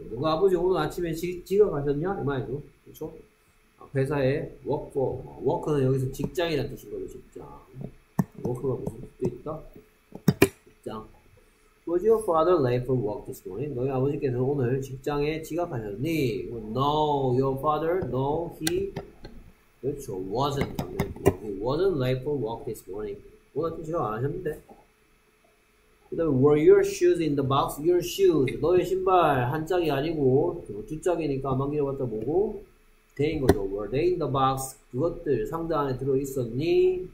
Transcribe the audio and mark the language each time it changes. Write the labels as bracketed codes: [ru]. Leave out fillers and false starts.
[ko] 누가 아버지 오늘 아침에 지각하셨냐? 이 말이죠, 그렇죠? 회사에 work는 여기서 직장이라는 뜻인 거죠, 직장. work가 무슨 뜻도 있다? 직장. [en] Was your father late for work this morning? [ko] 너희 아버지께서 오늘 직장에 지각하셨니? [en] No, your father, no, he. 그렇죠, wasn't. He wasn't late for work this morning. [ko] 오늘 아침 지각 안 하셨는데. 그 다음에 [en] were your shoes in the box? Your shoes. [ko] 너의 신발 한 짝이 아니고 두 짝이니까 안만 길어봤다 보고. 대인 거죠. [en] Were they in the box? [ko] 그것들 상자 안에 들어 있었니?